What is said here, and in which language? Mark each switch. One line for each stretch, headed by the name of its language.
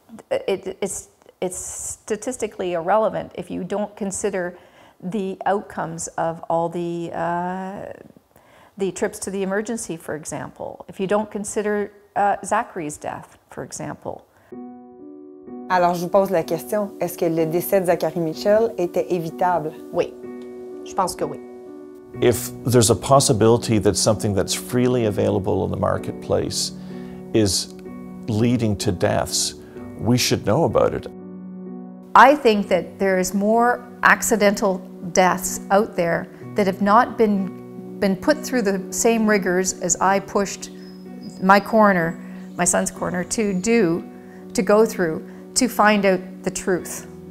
English: It's statistically irrelevant if you don't consider the outcomes of all the trips to the emergency, for example. If you don't consider Zachary's death, for example.
French: Alors je vous pose la question, est-ce que le décès de Zachary Mitchell était évitable? Oui. Je pense que oui.
English: If there's a possibility that something that's freely available in the marketplace is leading to deaths, we should know about it. I think that there is more accidental deaths out there that have not been put through the same rigors as I pushed my coroner, my son's coroner, to go through to find out the truth.